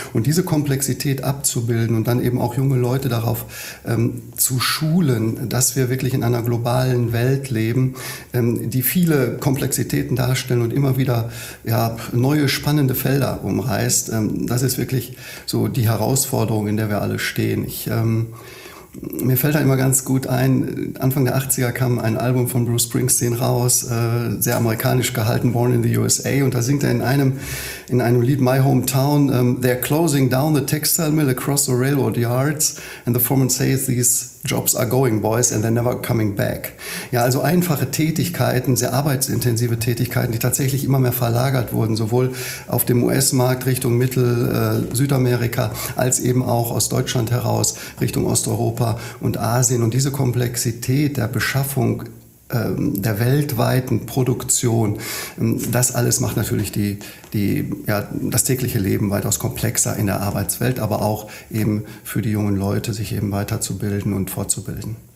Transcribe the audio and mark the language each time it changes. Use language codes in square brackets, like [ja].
[de] Und diese Komplexität abzubilden und dann eben auch junge Leute darauf zu schulen, dass wir wirklich in einer globalen Welt leben, die viele Komplexitäten darstellen und immer wieder ja, neue spannende Felder umreißt, das ist wirklich so die Herausforderung, in der wir alle stehen. mir fällt da immer ganz gut ein, Anfang der 80er kam ein Album von Bruce Springsteen raus, sehr amerikanisch gehalten, Born in the USA. Und da singt er in einem Lied, [en] My Hometown, they're closing down the textile mill across the railroad yards and the foreman says these jobs are going, boys, and they're never coming back. [de] Ja, also einfache Tätigkeiten, sehr arbeitsintensive Tätigkeiten, die tatsächlich immer mehr verlagert wurden, sowohl auf dem US-Markt Richtung Mittel-Südamerika als eben auch aus Deutschland heraus Richtung Osteuropa und Asien. Und diese Komplexität der Beschaffung der weltweiten Produktion, das alles macht natürlich das tägliche Leben weitaus komplexer in der Arbeitswelt, aber auch eben für die jungen Leute, sich eben weiterzubilden und fortzubilden.